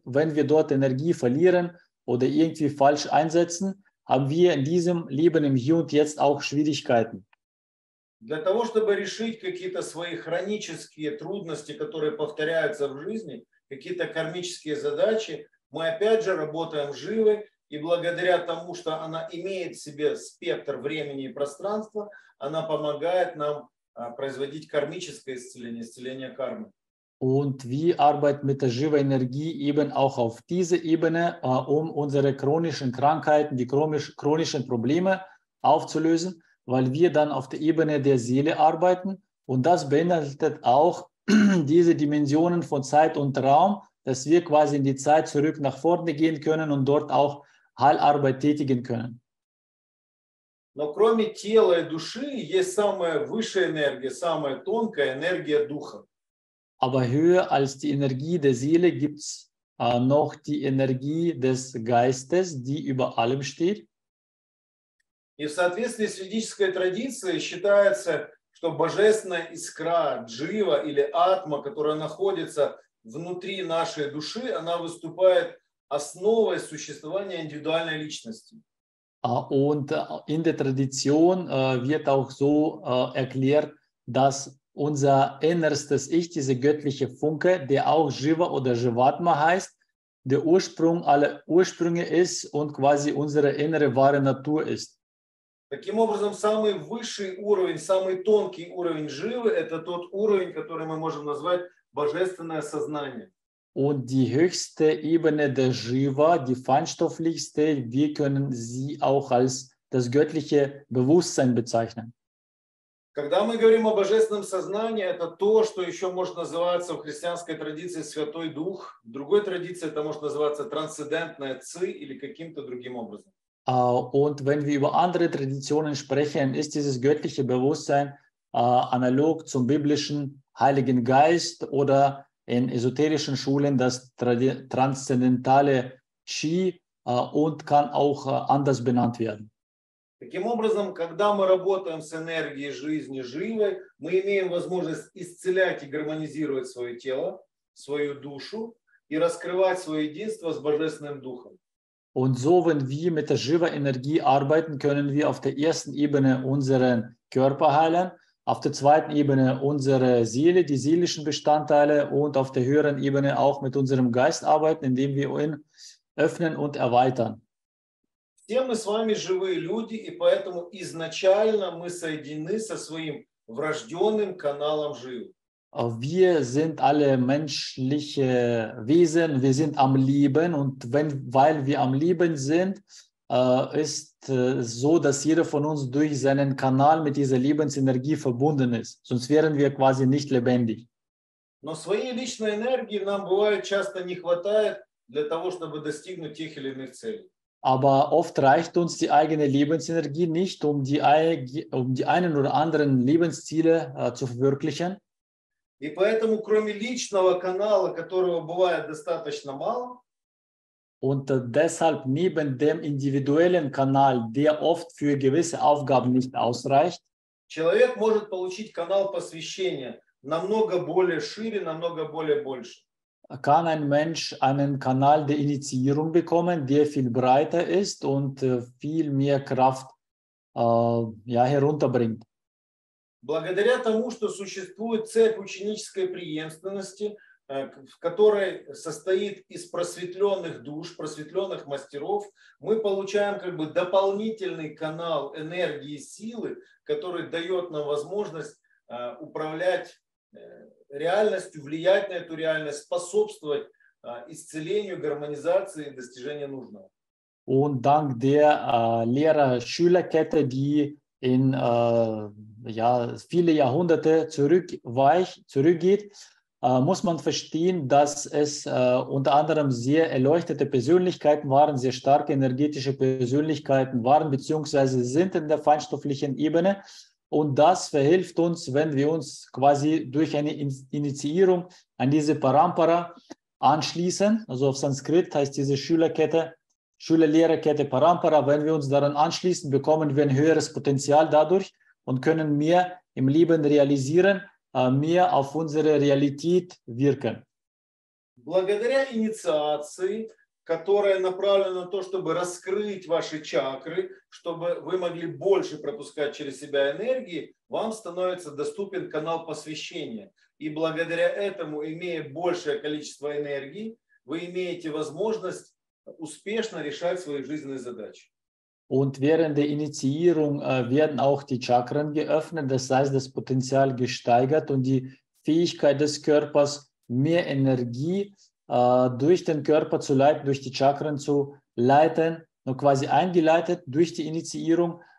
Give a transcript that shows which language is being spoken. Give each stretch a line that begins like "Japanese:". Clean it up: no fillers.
German: Wenn wir dort Energie verlieren oder irgendwie falsch einsetzen, haben wir in diesem Leben im Hier und Jetzt auch Schwierigkeiten.
Russian: Для того, чтобы решить какие-то свои хронические трудности, которые повторяются в жизни, какие-то кармические задачи, мы опять же работаем живы, и благодаря тому, что она имеет в себе спектр времени и пространства, она помогает нам производить кармическое исцеление, исцеление кармы.
German: Und wir arbeiten mit der живой Energie eben auch auf dieser Ebene, um unsere chronischen Krankheiten, die chronischen Probleme aufzulösen, weil wir dann auf der Ebene der Seele arbeiten. Und das beinhaltet auch diese Dimensionen von Zeit und Raum, dass wir quasi in die Zeit zurück nach vorne gehen können und dort auch Heilarbeit tätigen können.
Russian: Но кроме тела и души есть самая высшая энергия, самая тонкая энергия духа.
German: Aber höher als die Energie der Seele gibt es noch die Energie des Geistes, die über allem steht.
Russian: И в соответствии с ведической традицией считается, что божественная искра, джива или атма, которая находится внутри нашей души, она выступает основой существования индивидуальной личности.
German: Und in der Tradition wird auch so erklärt, dass unser innerstes Ich, diese göttliche Funke, der auch Shiva oder Shivatma heißt, der Ursprung aller Ursprünge ist und quasi unsere innere wahre Natur ist.
Russian: Таким образом, самый высший уровень, самый тонкий уровень Shiva – это тот уровень, который мы можем назвать божественное сознание.
German: Und die höchste Ebene der Shiva, die feinstofflichste, wir können sie auch als das göttliche Bewusstsein bezeichnen.
Russian: Когда мы говорим о божественном сознании, это то, что еще может называться в христианской традиции Святой Дух. В другой традиции это может называться трансцендентное Ци или каким-то другим образом.
German: Und wenn wir über andere Traditionen sprechen, ist dieses göttliche Bewusstsein analog zum biblischen Heiligen Geist oder in esoterischen Schulen das transzendentale Chi und kann auch anders benannt werden.
Russian: Таким образом, когда мы работаем с энергией жизни живой, мы имеем возможность исцелять и гармонизировать свое тело, свою душу и раскрывать свое единство с Божественным Духом.
German: Und so, wenn wir mit der живой Energie arbeiten, können wir auf der ersten Ebene unseren Körper heilen, auf der zweiten Ebene unsere Seele, die seelischen Bestandteile und auf der höheren Ebene auch mit unserem Geist arbeiten, indem wir ihn öffnen und erweitern.
Russian: Все мы с вами живые люди, и поэтому изначально мы соединены со своим врожденным каналом жив.
German: Wir sind alle menschliche Wesen, wir sind am Leben, und weil wir am Leben sind, ist so, dass jeder von uns durch seinen Kanal mit dieser Lebensenergie verbunden ist. Sonst wären wir quasi nicht lebendig.
Russian: Но своей личной энергии нам бывает часто не хватает для того, чтобы достигнуть тех или иных целей.
German: Aber oft reicht uns die eigene Lebensenergie nicht, um die einen oder anderen Lebensziele zu verwirklichen.
Russian: И поэтому, кроме личного канала, которого бывает достаточно мало,
German: und deshalb neben dem individuellen Kanal, der oft für gewisse Aufgaben nicht ausreicht,
Russian: человек может получить канал посвящения намного более шире, намного более больше.
German: Kann ein Mensch einen Kanal der Initiierung bekommen, der viel breiter ist und viel mehr Kraft herunterbringt.
Russian: Благодаря тому, что существует цепь ученической преемственности, в которой состоит из просветленных душ, просветленных мастеров, мы получаем как бы дополнительный канал энергии и силы, который дает нам возможность управлять реальностью, влиять на эту реальность, способствовать исцелению, гармонизации и достижению нужного.
German: Und dank der Lehrer-Schüler-Kette, die in viele Jahrhunderte zurückgeht, muss man verstehen, dass es unter anderem sehr erleuchtete Persönlichkeiten waren, sehr starke energetische Persönlichkeiten waren, beziehungsweise sind in der feinstofflichen Ebene. Und das verhilft uns, wenn wir uns quasi durch eine Initiierung an diese Parampara anschließen. Also auf Sanskrit heißt diese Schülerkette, Schüler-Lehrer-Kette Parampara. Wenn wir uns daran anschließen, bekommen wir ein höheres Potenzial dadurch und können mehr im Leben realisieren, mehr auf unsere Realität wirken.
Russian: Благодаря инициации, которая направлена на то, чтобы раскрыть ваши чакры, чтобы вы могли больше пропускать через себя энергии, вам становится доступен канал посвящения. И благодаря этому, имея большее количество энергии, вы имеете возможность успешно решать свои жизненные задачи.
German: Und während der Initiierung werden auch die Chakren geöffnet, das heißt, das Potenzial gesteigert und die Fähigkeit des Körpers, mehr Energie durch den Körper zu leiten, durch die Chakren zu leiten, nur quasi eingeleitet durch die Initiierung.